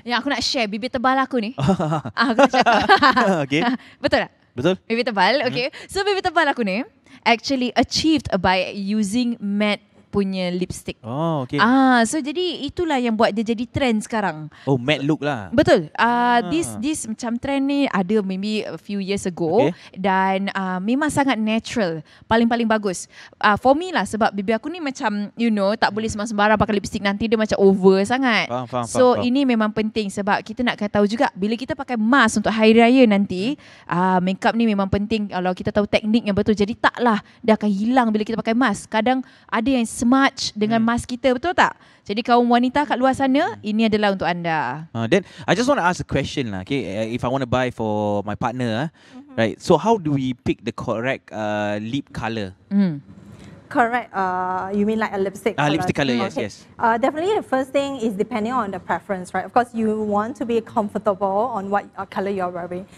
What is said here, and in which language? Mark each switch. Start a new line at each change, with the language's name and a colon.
Malay: Yang aku nak share, bibir tebal aku ni. aku nak cakap. Betul tak? Betul. Bibir tebal, okay. So, bibir tebal aku ni,
English: actually achieved by using matte
Malay: punya lipstick. Oh, okay. So jadi itulah yang buat dia jadi trend sekarang. Oh, matte look lah. Betul.
English: This
Malay: macam
English: trend
Malay: ni ada
English: maybe a few years ago. Okay.
Malay: Dan memang sangat natural. Paling-paling bagus.
English: For me
Malay: lah, sebab bibir aku ni macam,
English: you know,
Malay: tak boleh sembarang pakai lipstick, nanti dia macam over sangat. Faham. Ini memang penting sebab kita nak tahu juga, bila kita pakai mask untuk hari raya nanti, makeup ni memang penting kalau kita tahu teknik yang betul. Jadi taklah dia akan hilang bila kita pakai mask. Kadang ada yang smudge dengan mask kita, betul tak? Jadi kaum wanita kat luar sana, ini adalah untuk anda.
English: Then I just want to ask a question lah, okay? If I want to buy for my partner, right? So how do we pick the correct lip color? Correct. You mean like a lipstick? Lipstick color, yes, okay. Yes. Definitely, the first thing is depending on the preference, right? Of course, you want to be comfortable on what color you're wearing.